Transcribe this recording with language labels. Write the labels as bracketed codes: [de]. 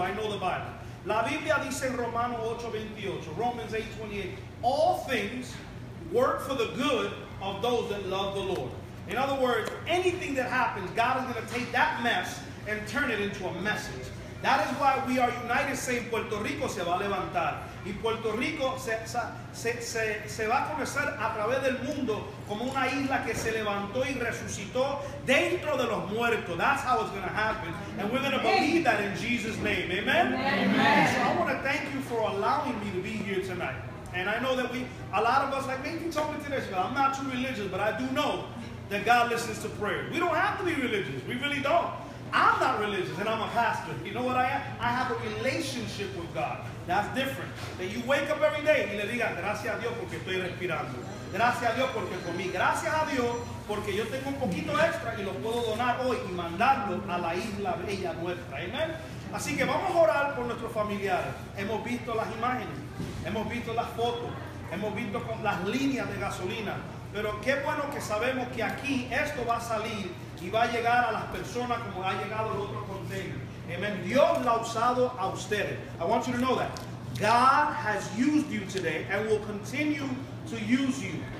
[en] I know the Bible. [es] La Biblia dice en [en] Romans 8:28, all things work for the good of those that love the Lord. In other words, anything that happens, God is going to take that mess and turn it into a message. That is why we are united saying [es] Puerto Rico se va a levantar. Y Puerto Rico se va a conocer a través del mundo como una isla que se levantó y resucitó dentro de los muertos. [en] That's how it's going to happen. And we're going to believe that in Jesus' name. Amen? Amen. So I want to thank you for allowing me to be here tonight. And I know that a lot of us, like maybe talking to this, I'm not too religious, but I do know that God listens to prayer. We don't have to be religious. We really don't. I'm not religious, and I'm a pastor. You know what I am? I have a relationship with God. That's different. That you wake up every day [es] y le diga, gracias a Dios porque estoy respirando. Gracias a Dios porque comí. Gracias a Dios porque yo tengo un poquito extra y lo puedo donar hoy y mandarlo a la isla bella nuestra. Amen. Así que vamos a orar por nuestros familiares. Hemos visto las imágenes. Hemos visto las fotos. Hemos visto con las líneas de gasolina. Pero qué bueno que sabemos que aquí esto va a salir y va a llegar a las personas como ha llegado el otro container. Amen. Dios lo ha usado a ustedes. [en] I want you to know that. God has used you today and will continue to use you.